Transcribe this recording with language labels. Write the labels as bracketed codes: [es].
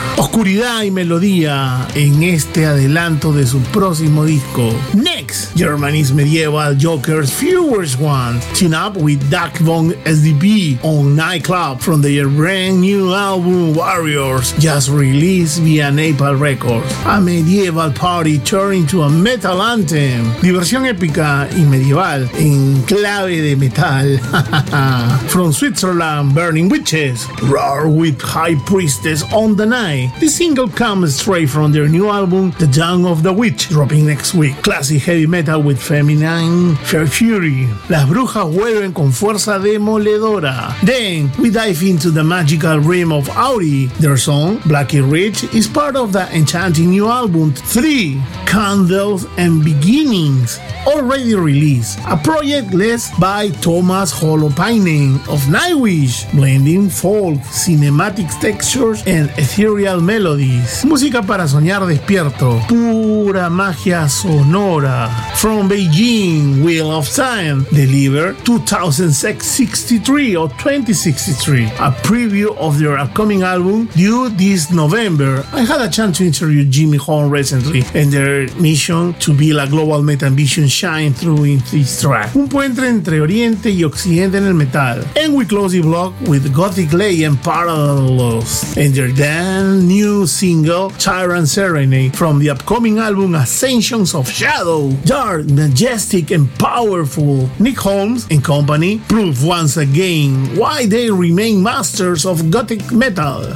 [es] Oscuridad y melodía en este adelanto de su próximo disco. [en] Next, Germany's medieval Joker's Fewest One. Tune up with Dark Von SDB on Nightclub from their brand new album Warriors, just released via Napalm Records. A medieval party turning to a metal anthem. [es] Diversión épica y medieval en clave de metal. [en] From Switzerland, Burning Witches, Roar with High Priestess on the Night. This single comes straight from their new album, The Dawn of the Witch, dropping next week. Classic heavy metal with feminine fair fury. [es] Las brujas vuelven con fuerza demoledora. [en] Then, we dive into the magical realm of Auri. Their song, Blackie Ridge, is part of the enchanting new album, 3, Candles and Beginnings, already released. A project led by Thomas Holopainen of Nightwish, blending folk, cinematic textures and ethereal melodies. [es] Música para soñar despierto. Pura magia sonora. [en] From Beijing, Wheel of Time, delivered 2063. A preview of their upcoming album due this November. I had a chance to interview Jimmy Horn recently and their mission to build a global metal vision shine through in this track. [es] Un puente entre Oriente y Occidente en el metal. [en] And we close the block with Gothic Legend Parallels and their then new single Tyrant Serenade from the upcoming album Ascensions of Shadow. Dark, majestic and powerful. Nick Holmes and company prove once again why they remain masters of gothic metal.